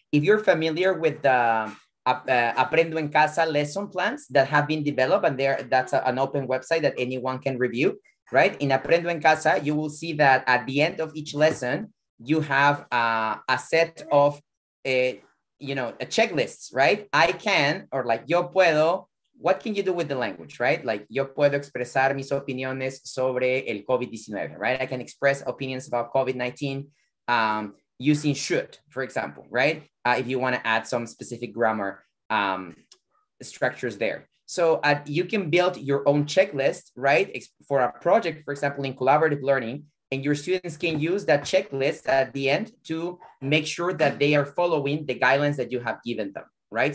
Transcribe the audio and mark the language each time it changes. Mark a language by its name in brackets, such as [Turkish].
[English] If you're familiar with the Aprendo en Casa lesson plans that have been developed, and that's an open website that anyone can review, right? In Aprendo en Casa, you will see that at the end of each lesson, you have a set of, a checklist, right? I can, or like, [Spanish] yo puedo, [English] what can you do with the language, right? [Spanish] Like, yo puedo expresar mis opiniones sobre el COVID-19, right? [English] I can express opinions about COVID-19 using should, for example, right? If you want to add some specific grammar structures there. So you can build your own checklist, right? For a project, for example, in collaborative learning, and your students can use that checklist at the end to make sure that they are following the guidelines that you have given them, right?